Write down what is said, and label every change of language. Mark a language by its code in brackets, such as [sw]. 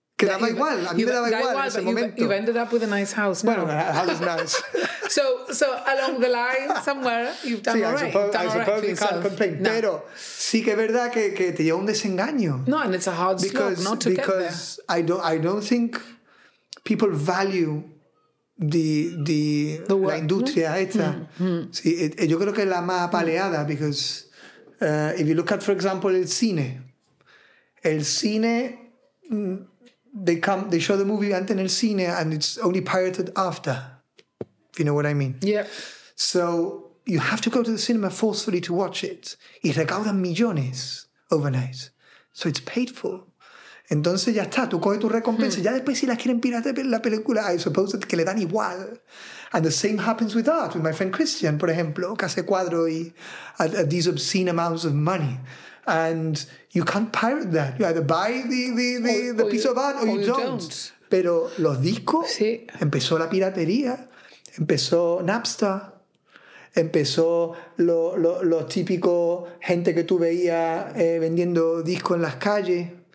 [es] Quedaba igual, a mí me daba igual en ese momento. [en] You've ended up with a nice house. [es] Bueno, [en] a house is nice. So along the line, somewhere, you've done all right. I suppose you can't complain. No. [es] Pero sí que es verdad que te lleva un desengaño. [en] No, and it's a hard slog not to get there. Because I don't think people value the [es] la industria esta. Sí, yo creo que es la más apaleada, [en] because if you look at, for example, [es] el cine, [en] they show the movie [es] antes en el cine [en] and it's only pirated after, if you know what I mean. Yeah. So you have to go to the cinema forcefully to watch it. [es] Y recaudan millones [en] overnight. So it's paid for. [es] Entonces ya está, tú coges tu recompensa. Ya después si la quieren pirate la película, [en] I suppose [es] que le dan igual. [en] And the same happens with art, with my friend Christian, [es] por ejemplo, que hace cuadro y [en] at these obscene amounts of money. And you can't pirate that. You either buy the piece of art or you don't. [es] Pero los discos, sí. Empezó la piratería, empezó Napster, empezó lo típico gente que tú veías vendiendo discos en las calles.